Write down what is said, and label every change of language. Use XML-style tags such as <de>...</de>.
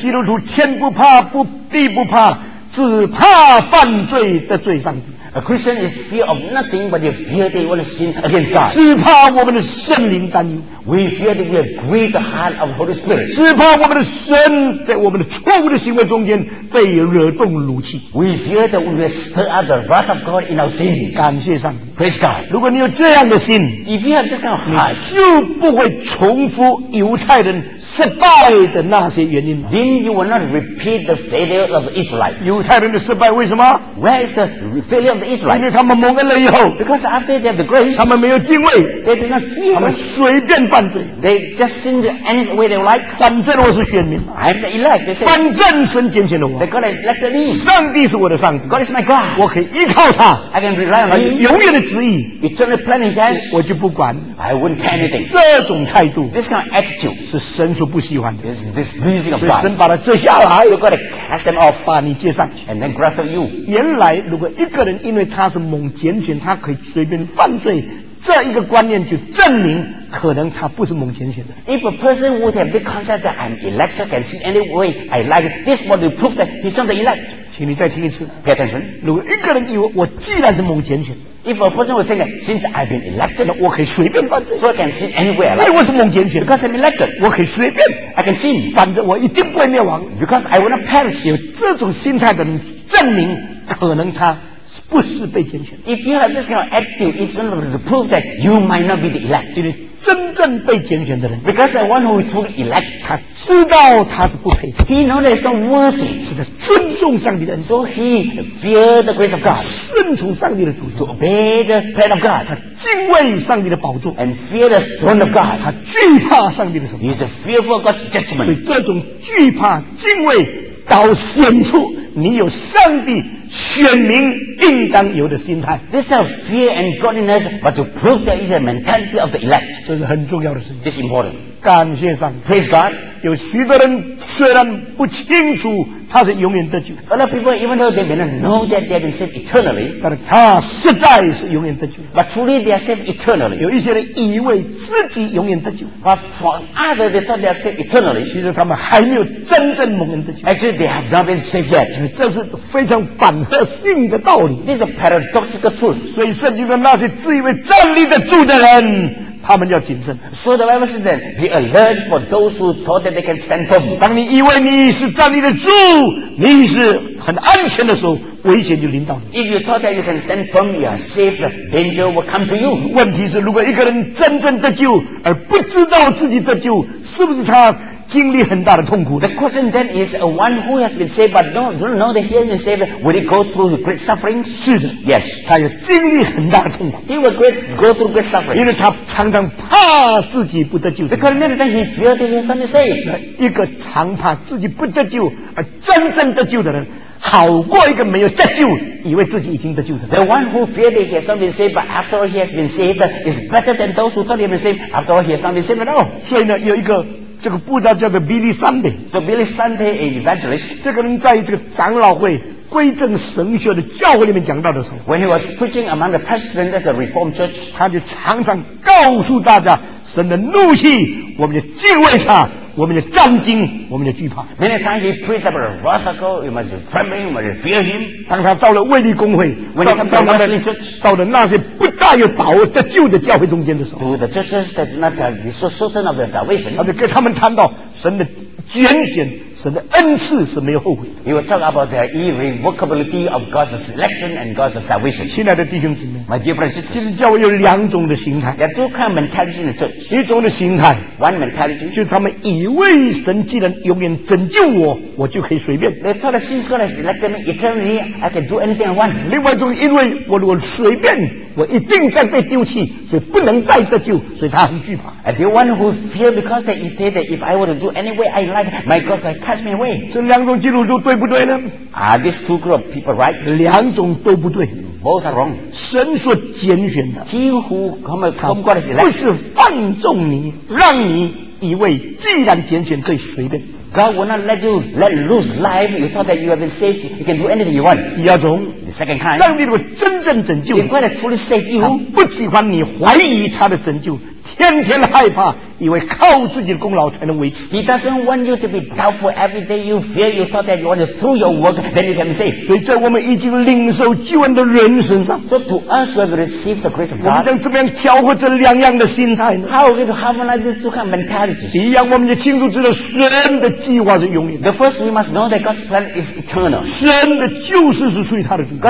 <zh>基督徒天不怕不地不怕只怕犯罪的罪上帝</zh> <en>A Christian is fear of nothing but the fear they want to sin against God.</en> <zh>只怕我们的圣灵担忧。</zh> <en>We fear that we have grieved the heart of Holy Spirit.</en> <zh>只怕我们的神在我们的错误的行为中间被惹动怒气。</zh> <en>We fear that we will stir up the wrath of God in our sins.</en> <zh>感谢上帝。</zh> <en>Praise God.</en> <zh>如果你有这样的心</zh> <en>If you have this kind of heart,</en> <zh>就不会重复犹太人失败的那些原因</zh> <en>Then you will not repeat the failure of Israel.</en> <zh>犹太人的失败为什么</zh> <en>Where is the failure of the Israel?</en> <zh>因为他们蒙恩了以后</zh> <en>Because after they have the grace,</en> <zh>他们没有敬畏</zh> <en>They did not fear.</en> <zh>他们随便犯罪</zh> <en>They just sin any way they like.</en> <zh>反正我是选民</zh> <en>I'm the elect. They say,</en> <zh>反正神拣选了我</zh> <en>The God has elected me.</en> <zh>上帝是我的上帝</zh> <en>God is my God.</en> <zh>我可以依靠他</zh> <en>I can rely on him.</en> <zh>永远的旨意</zh> <en>Eternal plan he has.</en> <zh>我就不管</zh> <en>I wouldn't care anything.</en> <zh>这种态度</zh> <en>This kind of attitude.</en> <zh>是神所不喜欢的</zh> <en>this pleasing of God.</en> <zh>所以神把他折下来</zh> <en>You've got to cast them off</en> <zh>把你接上去</zh> <en>And then graft you</en> <zh>原来如果一个人因为他是蒙拣选他可以随便犯罪这一个观念就证明可能他不是蒙拣选的</zh> <en>If a person would have the concept that I'm elect I can sin any way I like This would prove that he's not the elect</en> <zh>请你再听一次</zh> <en>Pay attention</en> <zh>如果一个人以为我既然是蒙拣选</zh> <en>If a person would think that since I've been elected,</en> <zh>我可以随便犯罪</zh> <en>so I can sin anywhere.</en> <zh>因为我是蒙拣选</zh> <en>because I'm elected.</en> <zh>我可以随便</zh> <en>I can sin.</en> <zh>反正我一定不会灭亡</zh> <en>because I will not perish.</en> <zh>有这种心态的人，证明可能他不是被拣选。</zh> <en>If you have this kind of attitude, it's not to prove that you might not be the elect.</en> <zh>因为真正被拣选的人</zh> <en>because the one who is truly elect,</en> <zh>他知道他是不配</zh> <en>He knows that he's not worthy.</en> <zh>是的，尊重上帝的人</zh> <en>so he fears the grace of God.</en> <zh>顺从上帝的主权</zh> <en>obey the plan of God</en> <zh>他敬畏上帝的宝座</zh> <en>and fear the throne of God</en> <zh>他惧怕上帝的审判</zh> <en>he's a fearful of God's judgment</en> <zh>所以这种惧怕敬畏倒显出你有上帝选民应当有的心态</zh> <en>this is a fear and godliness but to prove there is a mentality of the elect</en> <zh>这是很重要的事情</zh> <en>this is important</en> <zh>感谢上帝</zh> <en>praise God</en> <zh>有许多人虽然不清楚他是永远得救</zh> <en>A lot of people even though they may not know that they have been saved eternally</en> <zh>但他实在是永远得救</zh> <en>But truly they are saved eternally</en> <zh>有一些人以为自己永远得救</zh> <en>But for others they thought they are saved eternally</en> <zh>其实他们还没有真正蒙恩得救</zh> <en>Actually they have not been saved yet</en> <zh>这是非常反合性的道理</zh> <en>This is a paradoxical truth</en> <zh>所以圣经的那些自以为站立得住的人他们要谨慎</zh> <en>So the Bible says then Be alert for those who thought that they can stand firm</en> <zh>当你以为你是站立得住你是很安全的时候危险就临到你</zh> <en>If you thought that you can stand firm You are safe The danger will come to you</en> <zh>问题是如果一个人真正得救而不知道自己得救是不是他经历很大的痛苦</zh> <en>The question then is One who has been saved But don't know that he has been saved Will he go through great suffering?</en> <zh>是的</zh> <en>Yes</en> <zh>他有经历很大的痛苦</zh> <en>He will go through great suffering</en> <zh>因为他常常怕自己不得救</zh> <en>Because many times he feared that he has been saved</en> <zh>一个常怕自己不得救而真正得救的人好过一个没有得救以为自己已经得救的</zh> <en>The one who feared that he has not been saved But after all he has been saved Is better than those who thought he had been saved After all he has not been saved at all</en> <zh>所以呢有一个这个布道叫做 Billy Sunday</zh> <en>So Billy Sunday an evangelist</en> <zh>这个人在这个长老会归正神学的教会里面讲到的时候</zh> <en>When he was preaching among the president of the Reformed Church</en> <zh>他就常常告诉大家神的怒气我们就敬畏他我们就战惊我们就惧怕</zh> <en>Many times he preached about a radical You must tremble, you must fear him</en> <zh>当他到了卫理公会</zh> <en>When he came to the Muslim Church</en> <zh>到了那些不大有把握得救的教会中间的时候</zh> <en>To the churches that do not have the certain of their salvation</en> <zh>他就跟他们谈到神的拣选神的恩赐是没有后悔的</zh> <en>He will talk about the irrevocability of God's election and God's salvation</en> <zh>亲爱的弟兄姊妹</zh> <en>My dear brothers and sisters</en> <zh>其实教会有两种的心态</zh> <en>There are two kind of mentality in the church</en> <zh>一种的心态</zh> <en>One mentality</en> <zh>就是他们以为神既然永远拯救我我就可以随便</zh> <en>They thought that since God has elected me eternally I can do anything I want</en> <zh>另外一种因为我如果随便我一定在被丢弃所以不能再得救所以他很惧怕</zh> <en>And the one who fear because they say that if I were to do any way I like my God can cast me away</en> <zh>这两种基督徒对不对呢</zh> <en>Are these two group of people right</en> <zh>两种都不对</zh> <en>Both are wrong</en> <zh>神所拣选的</zh> <en>He who come from God is elect</en> <zh>不是放纵你让你以为既然拣选可以随便</zh> <en>God will not let you let loose life. You thought that you have been saved. You can do anything you want.</en> <zh>第二种</zh> <en>the second kind.</en> <zh>上帝如果真正拯救你，也快来出来</zh> <en>save you.</en> <zh>他不喜欢你怀疑他的拯救，天天害怕，以为靠自己的功劳才能维持。</zh> <en>He doesn't want you to be doubtful every day. You fear. You thought that you want to through your work, then you can be saved.</en> <zh>所以在我们已经领受救恩的人身上</zh> <en>，So to us who have received the grace of God,</en> <zh>我们将怎么样调和这两样的心态呢</zh> <en>？How we harmonize these two kind of mentalities?</en> <zh>第一样，我们要清楚知道神的计划是永远的。</zh> <en>The first, we must know that God's plan is eternal.</en> <zh>神的救赎是出于他的主。</zh>